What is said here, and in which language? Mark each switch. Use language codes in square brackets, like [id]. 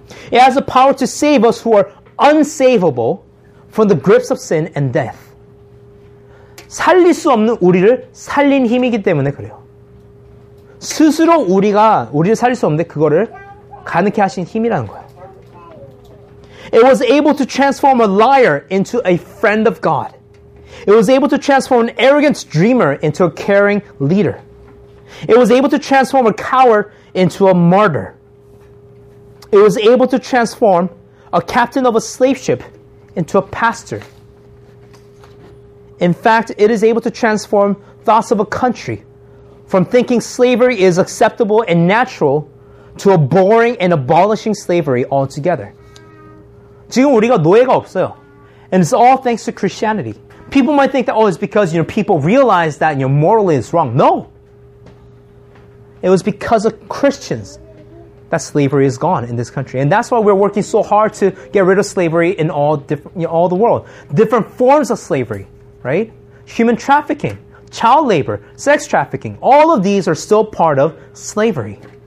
[en] It has the power to save us who are unsavable from the grips of sin and death. [ko] 살릴 수 없는 우리를 살린 힘이기 때문에 그래요. 스스로 우리를 살릴 수 없는데 그거를 가능케 하신 힘이라는 거예요. [en] It was able to transform a liar into a friend of God. It was able to transform an arrogant dreamer into a caring leader. It was able to transform a coward into a martyr. It was able to transform a captain of a slave ship into a pastor. In fact, it is able to transform thoughts of a country from thinking slavery is acceptable and natural to abhorring and abolishing slavery altogether. [ko] 지금 우리가 노예가 없어요. [en] And it's all thanks to Christianity. People might think that, oh, it's because, you know, people realize that, you know, morally it's wrong. No! It was because of Christians that slavery is gone in this country. And that's why we're working so hard to get rid of slavery in all different, you know, all the world. Different forms of slavery, right? Human trafficking, child labor, sex trafficking, all of these are still part of slavery.